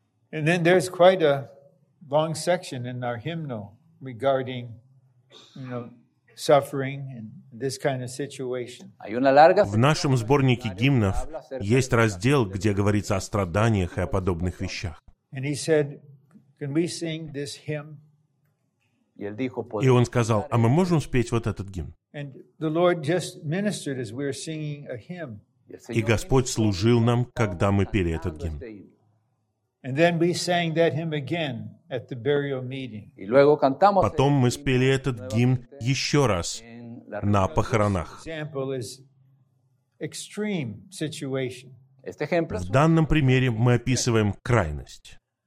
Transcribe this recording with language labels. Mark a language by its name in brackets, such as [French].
[Russian] В нашем сборнике гимнов есть раздел, где говорится о страданиях и о подобных вещах. [English] And he said, "Can we sing this hymn?" [Russian] И он сказал, а мы можем спеть вот этот гимн? [English] And the Lord just ministered as we were singing a hymn. [Russian] И Господь служил нам, когда мы пели этот гимн. [English] And then we sang that hymn again at the burial meeting. [Spanish] И luego cantamos. [Russian] Потом мы спели этот гимн еще раз на похоронах. [English] Example is extreme situation. [Russian] В данном примере мы описываем крайность.